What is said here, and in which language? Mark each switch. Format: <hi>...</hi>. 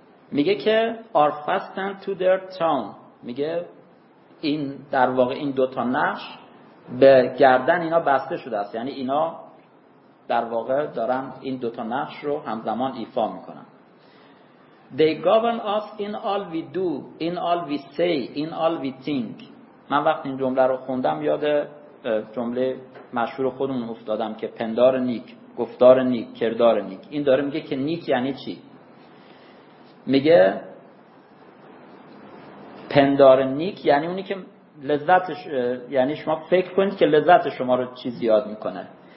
<fa>میگه که</fa> <en>are fastened to their tongue،</en> <fa>میگه این در واقع این دوتا نقش به گردن اینا بسته شده است، یعنی اینا در واقع دارن این دوتا نقش رو همزمان ایفا میکنن.</fa> <en>They govern us in all we do, in all we say, in all we think.</en> <fa>من وقتی این جمله رو خوندم یاد جمله مشهور خودمون افتادم که پندار نیک، گفتار نیک، کردار نیک. این داره میگه که نیک یعنی چی؟ میگه پندار نیک یعنی اونی که لذتش، یعنی شما فکر کنید که لذت شما رو چی زیاد میکنه.</fa>